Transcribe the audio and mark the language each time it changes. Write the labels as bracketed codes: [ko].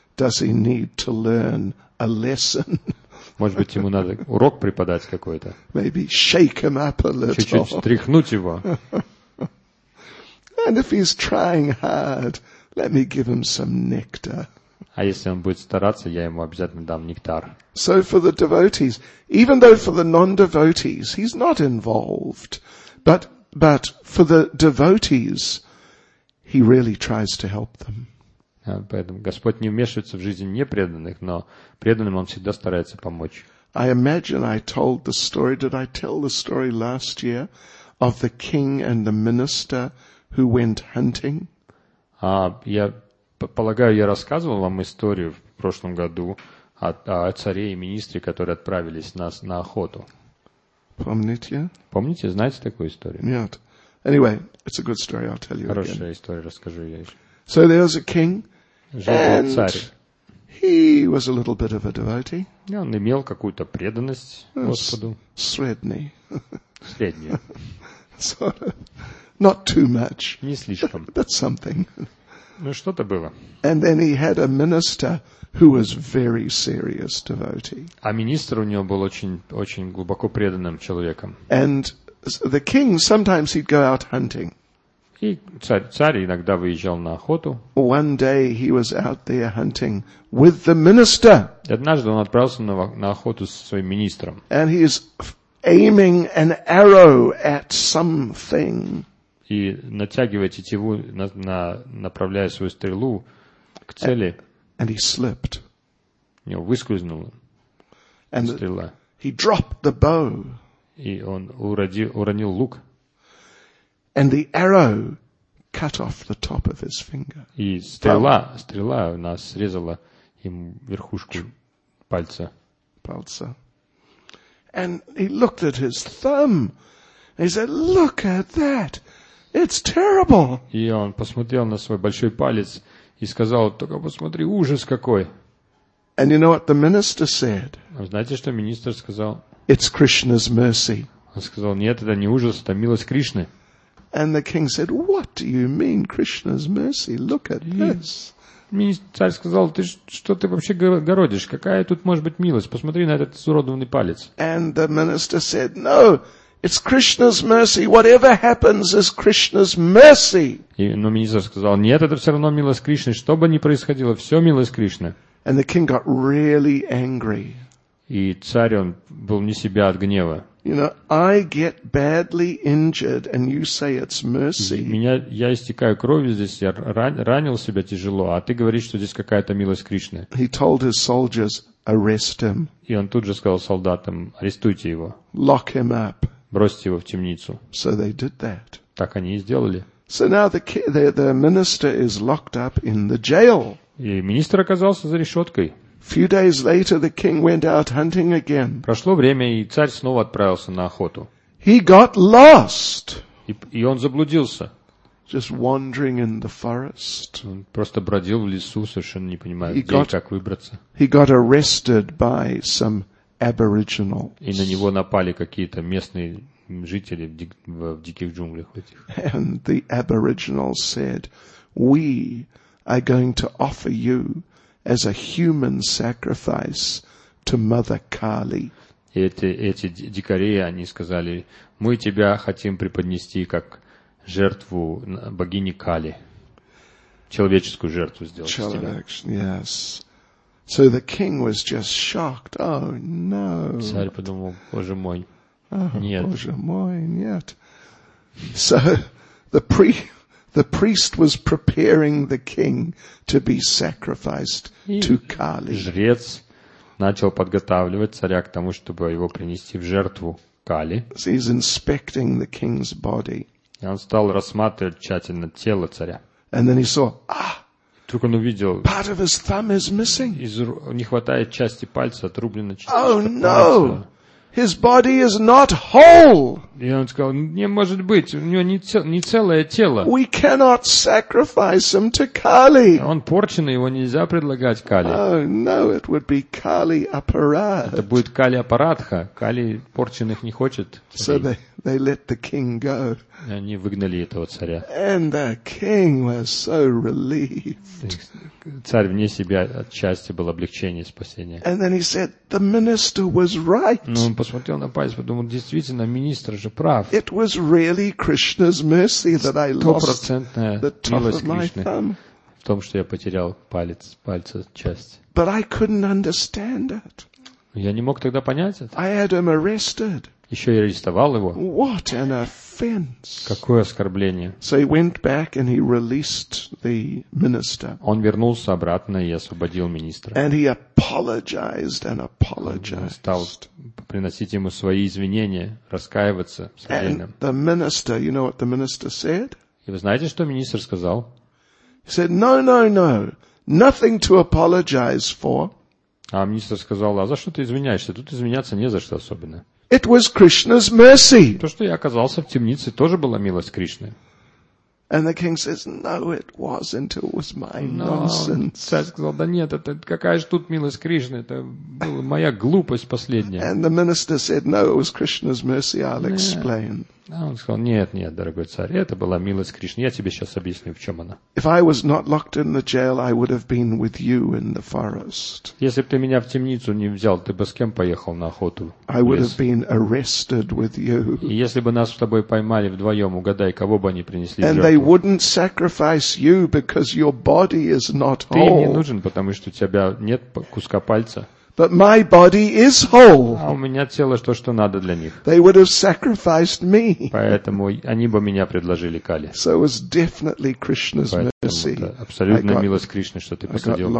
[en] Does he need to learn a lesson? [ru] Может быть, ему надо урок преподать какой-то? [en] Maybe shake him up a little. [ru] Чуть-чуть встряхнуть его. [en] And if he's trying hard, let me give him some nectar. [ru] А если он будет стараться, я ему обязательно дам нектар. [en] So for the devotees, even though for the non-devotees, he's not involved, but for the devotees, he really tries to help them. [ru] Поэтому Господь не вмешивается в жизнь непреданных, но преданным он всегда старается помочь. [en] I imagine I told the story. Did I tell the story last year of the king and the minister who went hunting? [ru] Я полагаю, я рассказывал вам историю в прошлом году о царе и министре, которые отправились на охоту. Помните? Помните, знаете такую историю? Нет. [en] Anyway, it's a good story. I'll tell you. [ru] Хорошая [en] again. [ru] История, расскажу я еще. [en] So there was a king, and царь. He was a little bit of a devotee. [ru] Yeah, он имел какую-то преданность Господу. Средний. Средний. [en] Sort of. Not too much. [ru] Не слишком. [en] But something. [ru] Ну, что-то было. [en] And then he had a minister who was very serious devotee. [ru] А министр у него был очень, очень глубоко преданным человеком. [en] And the king, sometimes he'd go out hunting. [ru] И царь иногда выезжал на охоту. [en] One day he was out there hunting with the minister. [ru] Однажды он отправился на охоту со своим министром. [en] And he is aiming an arrow at something. [ru] И натягивая тетиву, направляя свою стрелу к цели. [en] And he slipped. [ru] У него выскользнула стрела. [en] He dropped the bow. [ru] И он уронил лук. [en] And the arrow cut off the top of his finger. [ru] И стрела у нас срезала им верхушку пальца. Пальца. [en] And he looked at his thumb. He said, "Look at that! It's terrible!" [ru] И он посмотрел на свой большой палец и сказал: "Только посмотри, ужас какой!" [en] And you know what the minister said? [ru] Знаете, что министр сказал? [en] It's Krishna's mercy. [ru] Он сказал: "Нет, это не ужас, это милость Кришны." [en] And the king said, "What do you mean, Krishna's mercy? Look at this." [ru] Министр сказал: "Ты что ты вообще городишь? Какая тут может быть милость? Посмотри на этот изуродованный палец." [en] And the minister said, "No, it's Krishna's mercy. Whatever happens is Krishna's mercy." [ru] Но министр сказал: "Нет, это все равно милость Кришны. Что бы ни происходило, все милость Кришны." [en] And the king got really angry. [ru] И царь он был не себя от гнева. [en] You know, I get badly injured, and you say it's mercy. [ru] Я истекаю кровью здесь, я ранил себя тяжело, а ты говоришь, что здесь какая-то милость Кришны. [en] He told his soldiers, arrest him. [ru] И он тут же сказал солдатам: арестуйте его. [en] Lock him up. [ru] Бросьте его в темницу. [en] So they did that. [ru] Так они и сделали. [en] So now the minister is locked up in the jail. [ru] И министр оказался за решеткой. [en] Few days later, the king went out hunting again. [ru] Прошло время, и царь снова отправился на охоту. [en] He got lost. [ru] И он заблудился. [en] Just wandering in the forest. [ru] Он просто бродил в лесу, совершенно не понимая, где и как выбраться. [en] He got arrested by some aboriginals. [ru] И на него напали какие-то местные жители в диких джунглях этих. [en] And the aboriginals said, "We are going to offer you as a human sacrifice to Mother Kali." [ru] Эти дикари, они сказали: "Мы тебя хотим преподнести как жертву богини Кали. Человеческую жертву сделать тебе." [en] Yes. So the king was just shocked. Oh no. [ru] Царь подумал: "Боже мой. Нет. Боже мой, нет." [en] So the priest was preparing the king to be sacrificed to Kali. [ru] Жрец начал подготавливать царя к тому, чтобы его принести в жертву Кали. [en] He's inspecting the king's body. [ru] И он стал рассматривать тщательно тело царя. [en] And then he saw, ah! [ru] Вдруг он увидел, [en] part of his thumb is missing. [ru] Не хватает части пальца, отрублена часть. [en] Oh no! His body is not whole. [ru] И он сказал: "Не может быть, у него не целое тело." [en] We cannot sacrifice him to Kali. [ru] Он порченный, его нельзя предлагать Кали. [en] Oh no, it would be Kali Aparad. [ru] Это будет Кали Апарадха. Кали порченных не хочет. [en] So they let the king go. [ru] И они выгнали этого царя. [en] And the king was so relieved. [ru] Царь вне себя от счастья, было облегчение, спасение. [en] And then he said, "The minister was right." [ru] Ну, он посмотрел на палец, подумал: действительно, министр же прав. [en] It was really Krishna's mercy that I lost the top of my thumb. [ru] В том, что я потерял пальца часть. [en] But I couldn't understand it. [ru] Я не мог тогда понять это. [en] I had him arrested. [ru] Еще и арестовал его. [en] What an offense. [ru] Какое оскорбление. [en] So he went back and he released the minister. [ru] Он вернулся обратно и освободил министра. [en] And he apologized and apologized. [ru] Стал приносить ему свои извинения, раскаиваться. [en] And the minister, you know what the minister said? [ru] И вы знаете, что министр сказал? [en] He said, "No, no, no, nothing to apologize for." [ru] А министр сказал: "А за что ты извиняешься? Тут извиняться не за что особенно." [en] It was Krishna's mercy. [ru] То, что я оказался в темнице, тоже была милость Кришны. [en] And the king says, no, it wasn't, it was my nonsense. [ru] Царь сказал, да нет, это какая же тут милость Кришны, это была моя глупость последняя. [en] And the minister said, no, it was Krishna's mercy, I'll explain. [ru] Он сказал, нет, нет, дорогой царь, это была милость Кришны, я тебе сейчас объясню, в чем она. [en] If I was not locked in the jail, I would have been with you in the forest. [ru] Если бы ты меня в темницу не взял, ты бы с кем поехал на охоту? [en] I would have been arrested with you. [ru] И если бы нас с тобой поймали вдвоем, угадай, кого бы они принесли в жертву? [en] They wouldn't sacrifice you because your body is not whole. [ru] Ты мне нужен, потому что у тебя нет куска пальца. [en] But my body is whole. [ru] А у меня тело то, что надо для них. [en] They would have sacrificed me. [ru] Поэтому они бы меня предложили Кали. [en] So it was definitely Krishna's mercy. [ru] Абсолютная милость Кришны, что ты посадил меня.